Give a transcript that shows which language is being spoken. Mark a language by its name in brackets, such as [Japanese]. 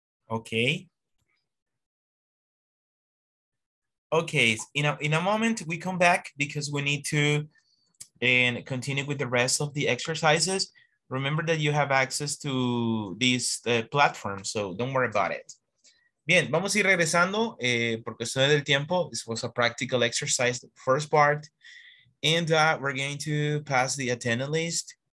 [English] Okay. Okay, in a moment we come back because we need to and continue with the rest of the exercises. Remember that you have access to this platform, so don't worry about it. [Spanish] Bien, vamos a ir regresando por cuestiones del tiempo. [English] This was a practical exercise, the first part. And we're going to pass the attendance list.